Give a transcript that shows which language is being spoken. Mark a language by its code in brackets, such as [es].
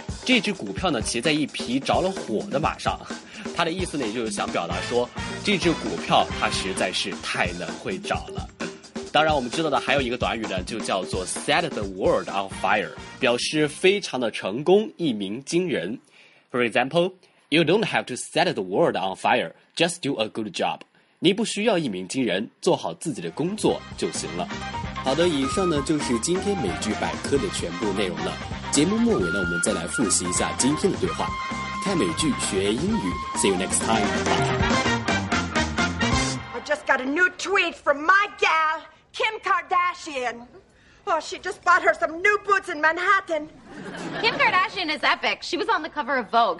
[zh] 这只股票呢，骑在一匹着了火的马上，他的意思呢，也就是想表达说，这只股票它实在是太能会涨了。当然，我们知道的还有一个短语呢，就叫做 [en] set the world on fire， [zh] 表示非常的成功，一鸣惊人。 [en] For example, you don't have to set the world on fire, just do a good job。 [zh] 你不需要一鸣惊人，做好自己的工作就行了。好的，以上呢就是今天美剧百科的全部内容了。节目末尾呢，我们再来复习一下今天的对话。看美剧学英语 ， [en] See you next time. I just got a new tweet from my gal Kim Kardashian. Well, she just bought her some new boots in Manhattan. Kim Kardashian is epic. She was on the cover of Vogue.